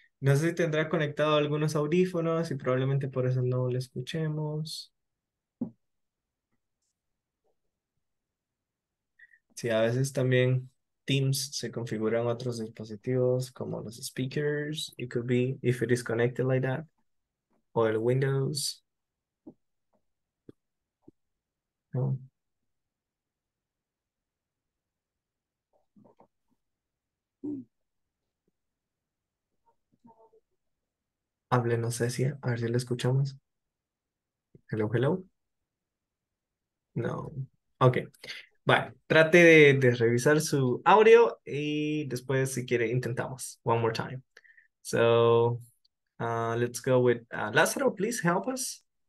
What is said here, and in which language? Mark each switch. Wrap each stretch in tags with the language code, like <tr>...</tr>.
<es>No sé si tendrá conectado algunos audífonos y probablemente por eso no lo escuchemos. Sí, a veces también Teams se configuran otros dispositivos como los speakers.</es> <en>It could be if it is connected like that.</en> <es>O el Windows. No. Hable, no sé si, a ver si lo escuchamos.</es> <en>Hello, hello.</en> <es>No. Okay. Bueno, trate de revisar su audio y después, si quiere, intentamos.</es> <en>One more time. So, let's go with Lázaro, please help us.</en>